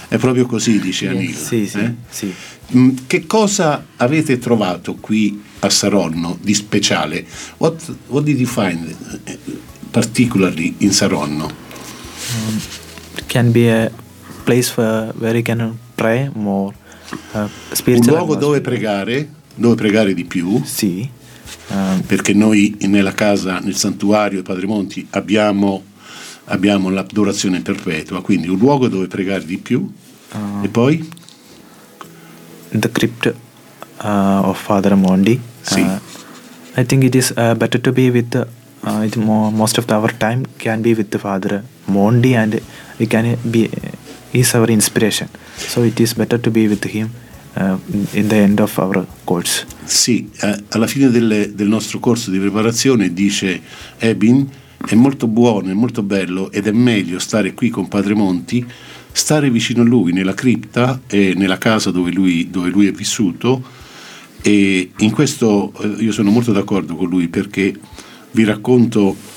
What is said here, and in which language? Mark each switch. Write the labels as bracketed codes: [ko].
[it] È proprio così, dice Anil. Sì, sì, sì. Che cosa avete trovato qui a Saronno di speciale? [en] What did you find particularly in Saronno? Can be a place where you can pray more. Spiritual. [it] Un luogo dove pregare. Dove pregare di più? Sì. Perché noi nella casa, nel santuario di Padre Monti, abbiamo l'adorazione perpetua, quindi un luogo dove pregare di più. E poi [en] the crypt of Father Monti. [it] Sì. [en] I think it is better to be with most of our time can be with the Father Monti and we can be is our inspiration. So it is better to be with him. In the end of our course. [it] Sì, alla fine del nostro corso di preparazione dice Ebin, è molto buono, è molto bello ed è meglio stare qui con Padre Monti, stare vicino a lui nella cripta e nella casa dove lui è vissuto, e in questo io sono molto d'accordo con lui, perché vi racconto,